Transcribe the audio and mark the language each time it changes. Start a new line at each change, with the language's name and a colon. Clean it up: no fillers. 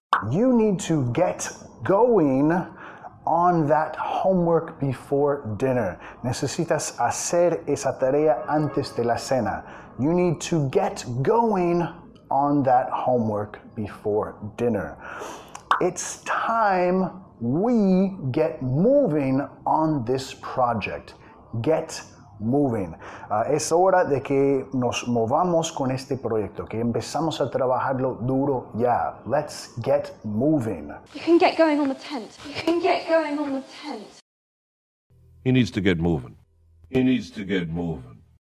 English: You need to get going on that homework before dinner.
Spanish: Necesitas hacer esa tarea antes de la cena.
English: You need to get going on that homework before dinner. It's time we get moving on this project. Get moving.
Spanish: Es hora de que nos movamos con este proyecto, que empezamos a trabajarlo duro ya.
English: Let's get moving. You can get going on the tent. You can get going on the tent. He needs to get moving. He needs to get moving.